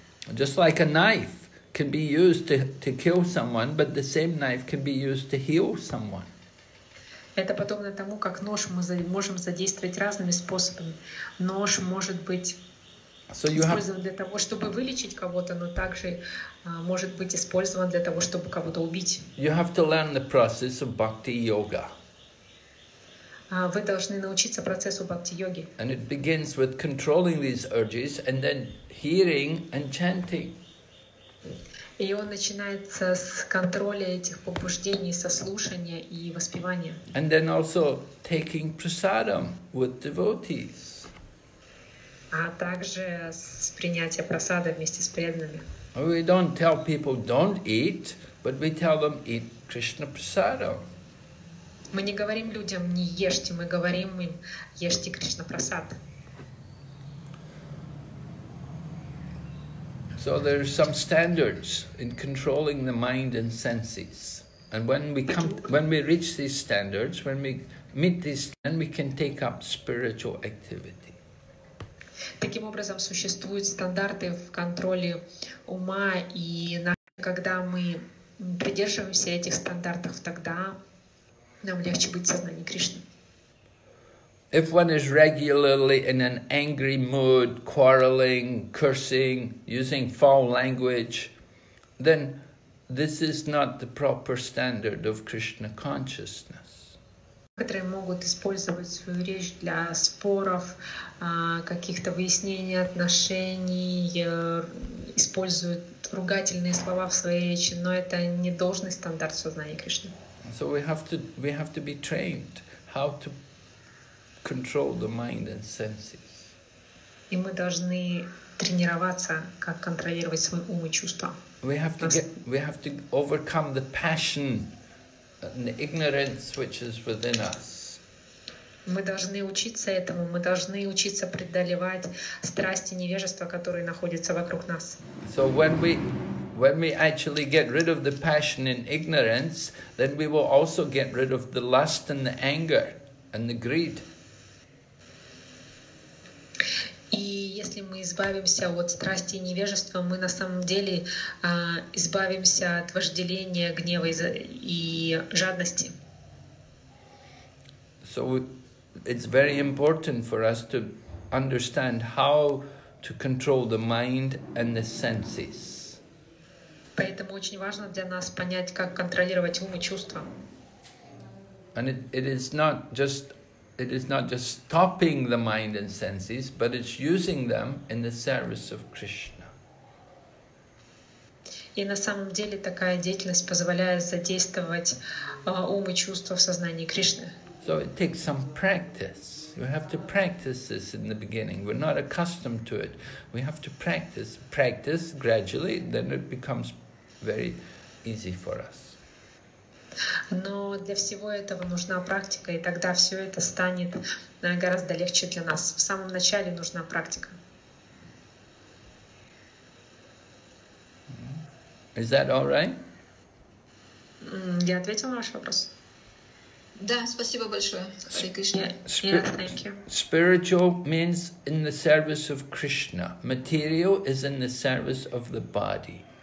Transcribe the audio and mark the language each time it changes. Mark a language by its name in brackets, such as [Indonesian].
[English] Just like a knife can be used to kill someone, but the same knife can be used to heal someone. [Russian] Это подобно тому, как нож мы можем задействовать разными способами. Нож может быть использован для того, чтобы вылечить кого-то, но также может быть использован для того, чтобы кого-то убить. [English] You have to learn the process of bhakti yoga. [Russian] Вы должны научиться процессу бхакти-йоги. [English] And it begins with controlling these urges and then hearing and chanting. [Russian] И он начинается с контроля этих побуждений, со слушания и воспевания. [English] And then also taking prasadam with devotees. [Russian] А также с принятия прасада вместе с преданными. [English] We don't tell people don't eat, but we tell them eat Krishna prasadam. [Russian] Мы не говорим людям не ешьте, мы говорим им ешьте Кришна прасад. [English] So there are some standards in controlling the mind and senses. And when we reach these standards, when we meet these, then we can take up spiritual activity. [Russian] Таким образом, существуют стандарты в контроле ума, и когда мы придерживаемся этих стандартов, тогда нам легче быть в сознании Кришны. [English] If one is regularly in an angry mood, quarreling, cursing, using foul language, then this is not the proper standard of Krishna consciousness. [Russian] Некоторые могут использовать свою речь для споров, каких-то выяснений отношений, используют ругательные слова в своей речи, но это не должный стандарт сознания Кришны. [English] So we have to be trained how to control the mind and senses. [Russian] И мы должны тренироваться, как контролировать свой ум и чувства. [English] We have to overcome the passion and the ignorance which is within us. [Russian] Мы должны учиться этому, мы должны учиться преодолевать страсти, невежество, которые находятся вокруг нас. [English] So when we actually get rid of the passion and ignorance, then we will also get rid of the lust and the anger and the greed. [Russian] И если мы избавимся от страсти и невежества, мы на самом деле избавимся от вожделения, гнева и жадности. [English] So it's very important for us to understand how to control the mind and the senses. [Russian] Поэтому очень важно для нас понять, как контролировать ум и чувства. [English] And it is not just stopping the mind and senses, but it's using them in the service of Krishna. [Russian] И на самом деле такая деятельность позволяет задействовать ум и чувства в сознании Кришны. [English] So it takes some practice. You have to practice this in the beginning. We're not accustomed to it. We have to practice, practice gradually, then it becomes very easy for us. [Russian] Но для всего этого нужна практика, и тогда все это станет гораздо легче для нас. В самом начале нужна практика. Is that all right? Я ответила на ваш вопрос? Да, спасибо большое, Хари Кришна. [English] Thank you. Spiritual means in the service of Krishna. Material is in the service of the body.